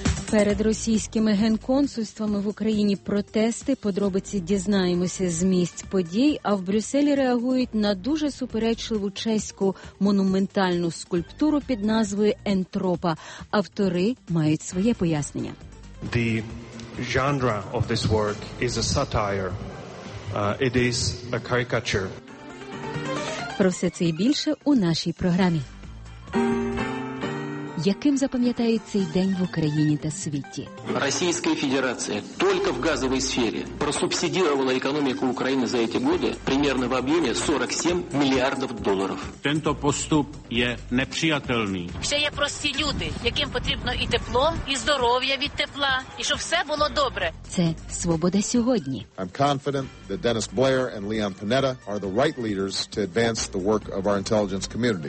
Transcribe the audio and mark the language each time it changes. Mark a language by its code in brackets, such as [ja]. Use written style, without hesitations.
[uk] Перед російськими генконсульствами в Україні протести. Подробиці дізнаємося з місць подій. А в Брюсселі реагують на дуже суперечливу чеську монументальну скульптуру під назвою «Ентропа». Автори мають своє пояснення. [en] The genre of this work is a satire. It is a caricature. [uk] Про все це і більше у нашій програмі. яким запам'ятають цей день в Україні та світі. Російська Федерація тільки в газовій сфері просубсидувала економіку України за ці роки приблизно в об'ємі 47 мільярдів доларів. Тento поступ є неприйнятний. Ще є прості люди, яким потрібно і тепло, і здоров'я від тепла, і щоб все було добре. Це «Свобода сьогодні». [en] I'm confident that Dennis Blair and Leon Panetta are the right leaders to advance the work of our intelligence community.